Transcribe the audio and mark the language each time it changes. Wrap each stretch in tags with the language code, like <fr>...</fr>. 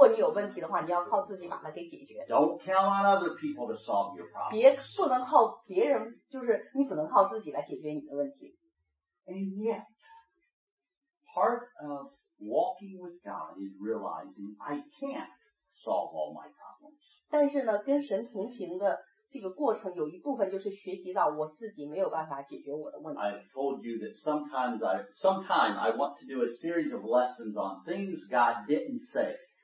<zh>多少人我们是被教导，小时候就是说，如果你有问题的话，你要靠自己把它给解决。</zh> <en>Don't count on other people to solve your problems.</en> <zh>不能靠别人，就是你只能靠自己来解决你的问题。</zh> <en>And yet, part of walking with God is realizing I can't solve all my problems.</en> <zh>但是呢，跟神同行的。这个过程有一部分就是学习到我自己没有办法解决我的问题。</zh> <en>I've told you that sometimes I want to do a series of lessons on things God didn't say.</en>